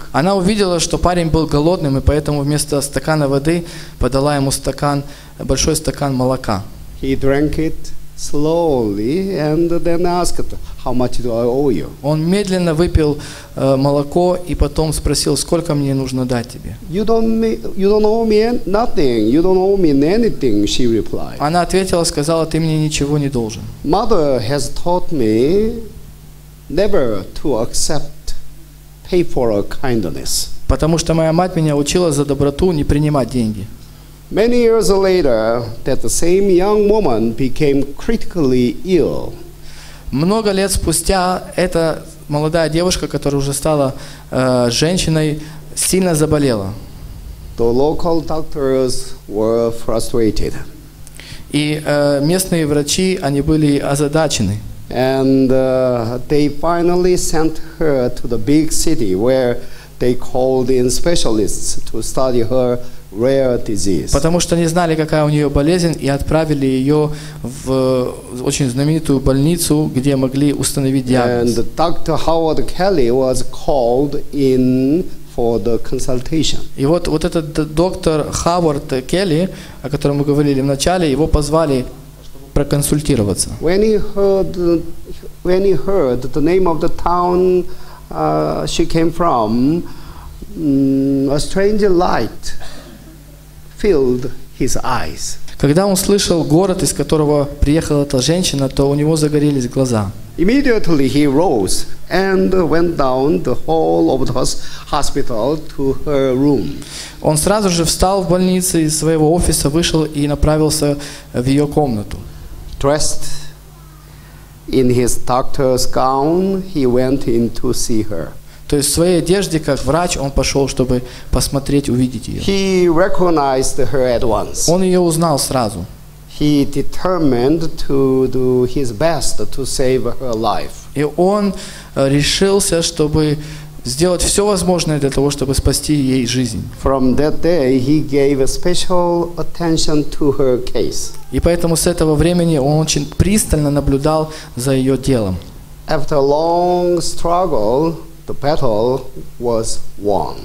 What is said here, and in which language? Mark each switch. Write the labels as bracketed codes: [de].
[ru] Она увидела, что парень был голодным, и поэтому вместо стакана воды подала ему стакан, большой стакан молока. [en] He drank it slowly, and then asked, "How much do I owe you?" [ru] Он медленно выпил молоко и потом спросил, сколько мне нужно дать тебе. [en] You don't owe me nothing. You don't owe me anything. She replied. [ru] Она ответила, сказала, ты мне ничего не должен. [en] Mother has taught me never to accept pay for a kindness. [ru] Потому что моя мать меня учила за доброту не принимать деньги. [en] Many years later, that the same young woman became critically ill. [ru] Много лет спустя эта молодая девушка, которая уже стала женщиной, сильно заболела. [en] The local doctors were frustrated. [ru] И местные врачи, они были озадачены. [en] And they finally sent her to the big city, where they called in specialists to study her rare disease. [ru] Потому что не знали, какая у нее болезнь, и отправили ее в очень знаменитую больницу, где могли установить диагноз. [en] And Dr. Howard Kelly was called in for the consultation. [ru] И вот этот доктор Howard Kelly, о котором мы говорили в начале, его позвали проконсультироваться. [en] When he heard the name of the town she came from, a strange light filled his eyes. [ru] Когда он слышал город, из которого приехала эта женщина, то у него загорелись глаза. [en] Immediately he rose and went down the hall of the hospital to her room. [ru] Он сразу же встал в больнице из своего офиса, вышел и направился в ее комнату. [en] Dressed in his doctor's gown, he went in to see her. [ru] То есть в своей одежде, как врач, он пошел, чтобы посмотреть, увидеть ее. [en] He recognized her at once. [ru] Он ее узнал сразу. [en] He determined to do his best to save her life. [ru] И он решился, чтобы сделать все возможное для того, чтобы спасти ей жизнь. [en] From that day, he gave a special attention to her case. [ru] И поэтому с этого времени он очень пристально наблюдал за ее делом. [en] After a long struggle, the battle was won.